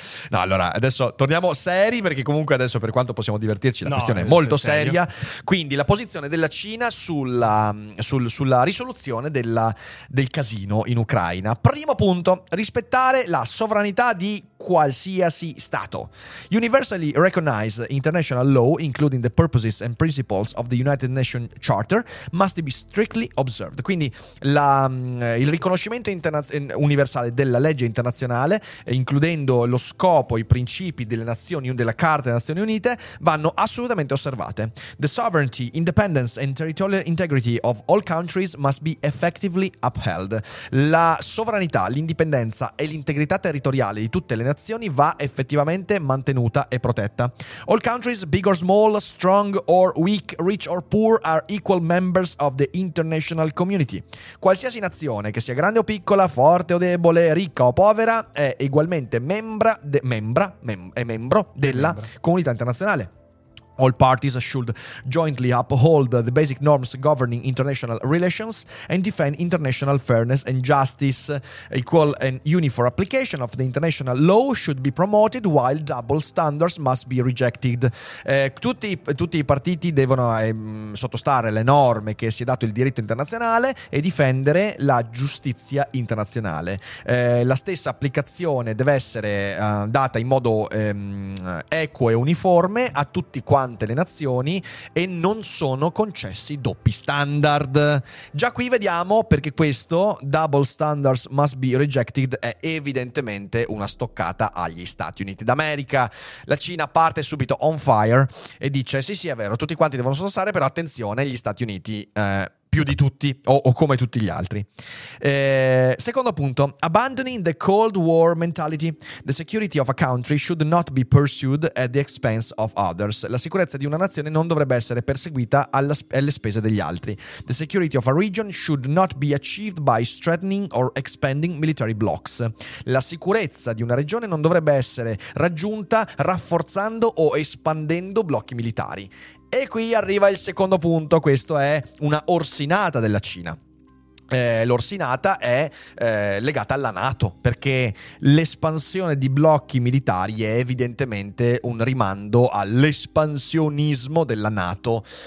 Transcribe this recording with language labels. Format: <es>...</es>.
<it>No, allora, adesso torniamo seri, perché comunque adesso, per quanto possiamo divertirci, la questione è molto seria. Quindi, la posizione della Cina sulla risoluzione del casino in Ucraina. Primo punto, rispettare la sovranità di qualsiasi stato.</it> <en>Universally recognized international law, including the purposes and principles of the United Nations Charter, must be strictly observed.</en> <it>Quindi, il riconoscimento universale della legge internazionale, includendo lo scopo, i principi delle nazioni, della Carta delle Nazioni Unite, vanno assolutamente osservate.</it> <en>The sovereignty, independence and territorial integrity of all countries must be effectively upheld.</en> <it>La sovranità, l'indipendenza e l'integrità territoriale di tutte le nazioni va effettivamente mantenuta e protetta.</it> <en>All countries, big or small, strong or weak, rich or poor, are equal members of the international community.</en> <it>Qualsiasi nazione, che sia grande o piccola, forte o debole, ricca o povera, è ugualmente membro della comunità internazionale.</it> <en>All parties should jointly uphold the basic norms governing international relations and defend international fairness and justice. Equal and uniform application of the international law should be promoted, while double standards must be rejected.</en> <it>Tutti i partiti devono sottostare alle norme che si è dato il diritto internazionale e difendere la giustizia internazionale. La stessa applicazione deve essere data in modo equo e uniforme a tutti quanti le nazioni, e non sono concessi doppi standard. Già qui vediamo perché questo</it> <en>double standards must be rejected</en> <it>è evidentemente una stoccata agli Stati Uniti d'America. La Cina parte subito</it> <en>on fire</en> <it>e dice: sì sì, è vero, tutti quanti devono sottostare, però attenzione, gli Stati Uniti più di tutti o come tutti gli altri. Secondo punto,</it> <en>abandoning the Cold War mentality. The security of a country should not be pursued at the expense of others.</en> <it>La sicurezza di una nazione non dovrebbe essere perseguita alle spese degli altri.</it> <en>The security of a region should not be achieved by strengthening or expanding military blocks.</en> <it>La sicurezza di una regione non dovrebbe essere raggiunta rafforzando o espandendo blocchi militari. E qui arriva il secondo punto, questo è una orsinata della Cina. L'orsinata è legata alla NATO, perché l'espansione di blocchi militari è evidentemente un rimando all'espansionismo della NATO.</it>